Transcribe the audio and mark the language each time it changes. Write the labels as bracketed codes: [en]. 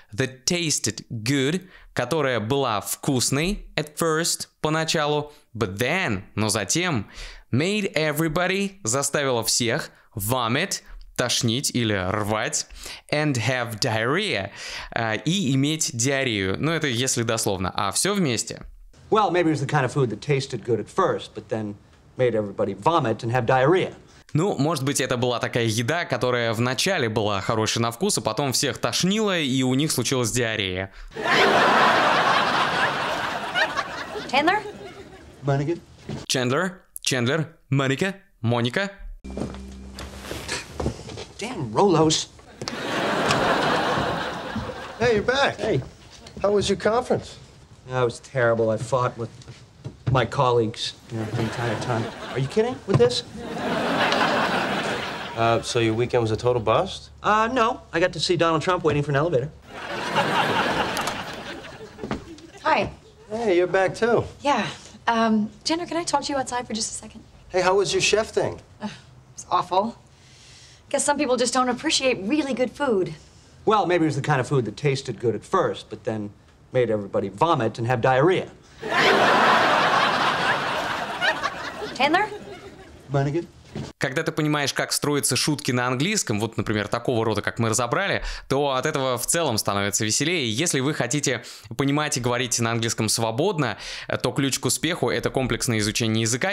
[en] The tasted good, [ru] которая была вкусной [en] at first, [ru] поначалу, [en] but then, [ru] но затем, [en] made everybody, [ru] заставила всех [en] vomit, [ru] тошнить или рвать, [en] and have diarrhea, [ru] и иметь диарею. Ну, это если дословно, а все вместе. [en] Well, maybe it was the kind of food that tasted good at first, but then made everybody vomit and have diarrhea. [ru] Ну, может быть, это была такая еда, которая вначале была хорошей на вкус, а потом всех тошнило, и у них случилась диарея. [en] Chandler? [ru] Моника? Chandler? Моника? Моника? [en] Damn, Rolos! Hey, you're back! Hey! How was your conference? Yeah, it was terrible. I fought with my colleagues, you know, the entire time. Are you kidding with this? So your weekend was a total bust? No. I got to see Donald Trump waiting for an elevator. Hi. Hey, you're back too. Yeah. Chandler, can I talk to you outside for just a second? Hey, how was your chef thing? It was awful. Guess some people just don't appreciate really good food. Well, maybe it was the kind of food that tasted good at first, but then made everybody vomit and have diarrhea. Chandler? Monaghan? [ru] Когда ты понимаешь, как строятся шутки на английском, вот, например, такого рода, как мы разобрали, то от этого в целом становится веселее. Если вы хотите понимать и говорить на английском свободно, то ключ к успеху — это комплексное изучение языка.